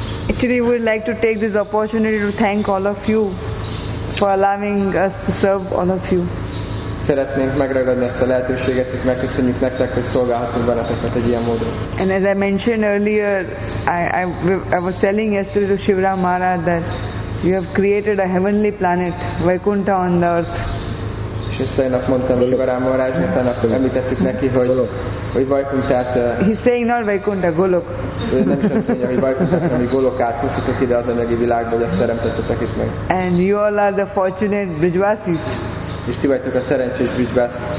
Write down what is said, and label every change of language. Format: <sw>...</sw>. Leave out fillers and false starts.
<en>Actually, we would like to take this opportunity to thank all of you for allowing us to serve all of you.</en> <hu>Szeretnénk megragadni ezt a lehetőséget, hogy megköszönjük nektek, hogy szolgálhatunk benneteket egy ilyen módon.</hu> <en>And as I mentioned earlier, I was telling yesterday to Shivram Maharaj that you have created a heavenly planet, Vaikuntha on the earth.</en> <hu>És ezt a nap mondtam Shivram Maharajnak, tegnap említettük neki, hogy Vaikunthát...</hu> <en>He's saying not Vaikuntha, Golok.</en> <hu>Nem is azt mondja, hogy Vaikunthát, hanem hogy Golokát húzhatok ide az anyagi világba, hogy azt teremtettetek itt meg.</hu> <en>And you all are the fortunate Brijvasis.</en> <hu>És ti vagytok a szerencsés bűzbász.</hu>